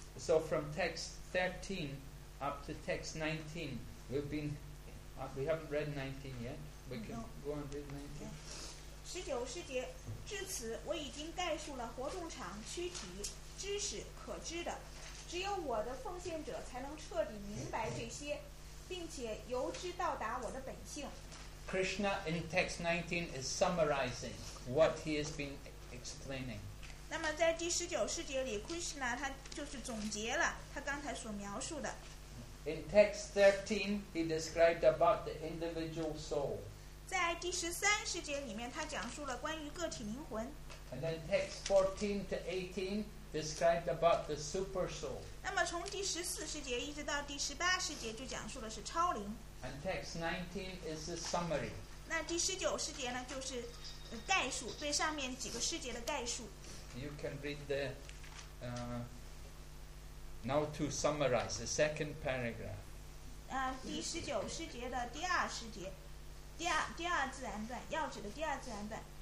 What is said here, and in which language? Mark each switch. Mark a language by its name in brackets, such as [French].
[English] So from text 13 up to text 19, we haven't read 19 yet. We can go on read 19. [Chinese] 十九世节，至此我已经概述了活动场、躯体、知识、可知的，只有我的奉献者才能彻底明白这些，并且由之到达我的本性。 [English] Krishna in text 19 is summarizing what he has been explaining. [Chinese] 那么在第十九世节里 ，Krishna 他就是总结了他刚才所描述的。 [English] In text 13, he described about the individual soul. [Chinese] 在第十三世节里面，他讲述了关于个体灵魂。 [English] And then text 14 to 18 described about the super soul. [Chinese] 那么从第十四世节一直到第十八世节，就讲述的是超灵。 [English] And text 19 is the summary. [Chinese] 那第十九世节呢，就是概述，对上面几个世节的概述。 [English] You can read the now to summarize the second paragraph. [Chinese] 第十九世节的第二世节。第二自然段，要旨的第二自然段。